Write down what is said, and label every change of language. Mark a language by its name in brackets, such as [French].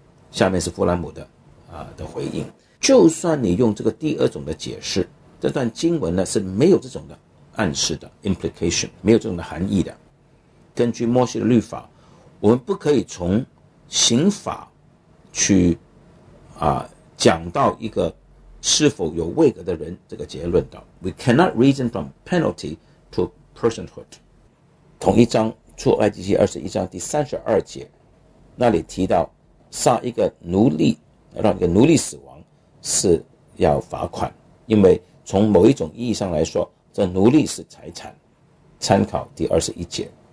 [Chinese] 下面是弗兰姆的回应，就算你用这个第二种的解释，这段经文呢是没有这种的暗示的 implication， 没有这种的含义的。根据摩西的律法，我们不可以从刑法去讲到一个是否有位格的人这个结论的。 [English] We cannot reason from penalty to personhood。 [Chinese] 同一章出埃及记21章第32节那里提到，杀一个奴隶，让一个奴隶死亡是要罚款，因为从某一种意义上来说，这奴隶是财产，参考第21节。